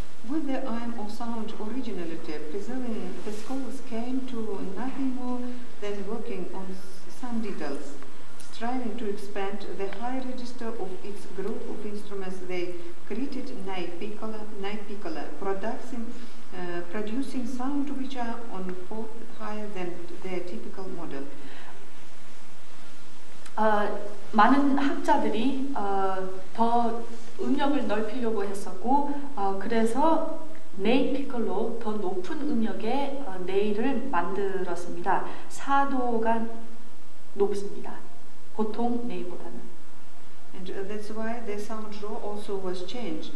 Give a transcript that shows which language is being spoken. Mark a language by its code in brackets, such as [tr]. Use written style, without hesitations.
[en] With the aim of sound originality, preserving the scores came to nothing more than working on some details. Striving to expand the high register of its group of instruments, they created nine piccola, producing sound which are on fourth higher than their typical model. [ko] 많은 학자들이 더 음역을 넓히려고 했었고, 그래서 네이 피콜로 더 높은 음역의 네이를 만들었습니다. 4도가 높습니다. 보통 네이보다는. [en] And that's why the sound draw also was changed.